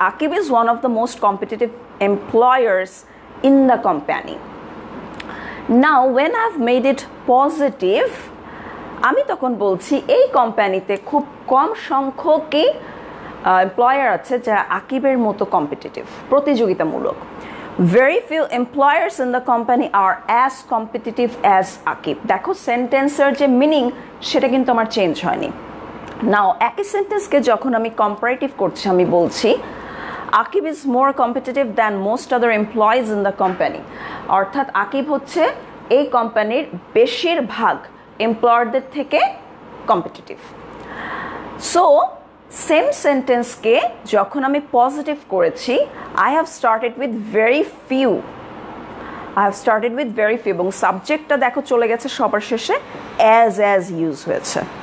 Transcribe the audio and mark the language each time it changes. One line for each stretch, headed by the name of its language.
English: Aqib is one of the most competitive employers in the company. Now, when I've made it positive,
Bangla: আমি তখন বলছি এই কোম্পানিতে খুব কম সংখ্যক এমপ্লয়ার আছে যারা আকিবের মতো কম্পিটিটিভ, প্রতিযোগিতামূলক।
English: Very few employers in the company are as competitive as Akib.
Bangla: দেখো সেন্টেন্সের যে মিনিং সেটা কিন্তু আমার চেঞ্জ হয়নি।
English: now
Bangla: একই সেন্টেন্সকে যখন আমি কম্পারেটিভ করছি আমি বলছি
English: Akib is more competitive than most other employees in the company.
Bangla: অর্থাৎ Akib হচ্ছে এই কোম্পানির বেশিরভাগ এমপ্লয়ারদের থেকে কম্পিটিটিভ। সো সেম সেন্টেন্সকে যখন আমি পজিটিভ করেছি
English: I have started with very few,
Bangla: I have started with very few, এবং সাবজেক্টটা দেখো চলে গেছে সবার শেষে অ্যাজ ইউজ হয়েছে।